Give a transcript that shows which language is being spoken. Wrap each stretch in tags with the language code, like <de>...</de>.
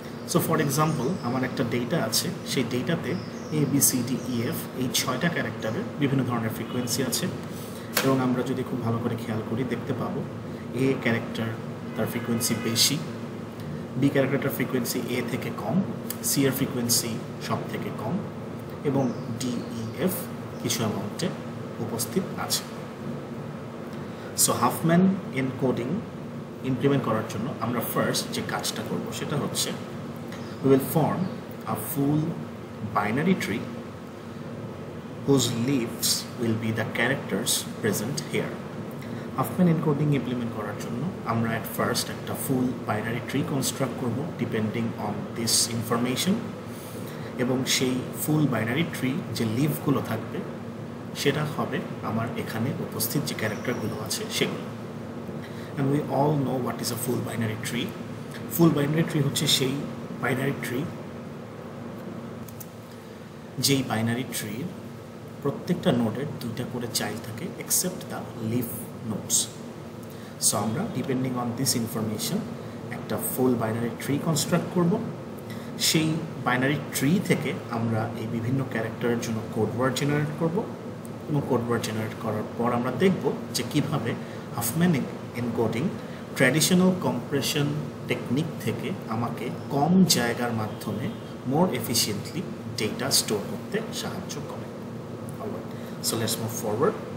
<bn>So for example আমার একটা data আছে, সেই ডেটাতে A B C D E F এই ছয়টা ক্যারেক্টারের বিভিন্ন ধরনের ফ্রিকোয়েন্সি আছে, এবং আমরা যদি খুব ভালো করে খেয়াল করি দেখতে পাবো এ ক্যারেক্টার তার ফ্রিকোয়েন্সি বেশি, বি ক্যারেক্টারটার ফ্রিকোয়েন্সি এ থেকে কম, সি এর ফ্রিকোয়েন্সি সব থেকে কম, এবং ডি ই এফ কিছু অ্যামাউন্টে উপস্থিত আছে। সো হাফম্যান এনকোডিং ইমপ্লিমেন্ট করার জন্য আমরা ফার্স্ট যে কাজটা করবো সেটা হচ্ছে</bn> <en>we will form a full binary tree whose leaves will be the characters present here.</en> <bn>Huffman encoding implement করার জন্য আমরা at first একটা full binary tree construct করব</bn> <en>depending on this information,</en> <bn>এবং সেই full binary tree যে leaf গুলো থাকবে সেটা হবে আমার এখানে উপস্থিত যে ক্যারেক্টার গুলো আছে সেগুলো।</bn> <en>And we all know what is a full binary tree.</en> <bn>Full binary tree হচ্ছে সেই বাইনারি ট্রি যেই বাইনারি ট্রির প্রত্যেকটা নোডের দুইটা করে চাইল্ড থাকে except the leaf nodes. So আমরা ডিপেন্ডিং অন দিস ইনফরমেশন একটা ফুল বাইনারি ট্রি কনস্ট্রাক্ট করব, সেই বাইনারি ট্রি থেকে আমরা এই বিভিন্ন ক্যারেক্টারের জন্য কোডওয়ার্ড জেনারেট করব, এবং কোডওয়ার্ড জেনারেট করার পর আমরা দেখব যে কীভাবে Huffman encoding traditional compression technique থেকে আমাকে কম জায়গার মাধ্যমে মোর এফিশিয়েন্টলি ডেটা স্টোর করতে সাহায্য করে। So let's move forward.</bn>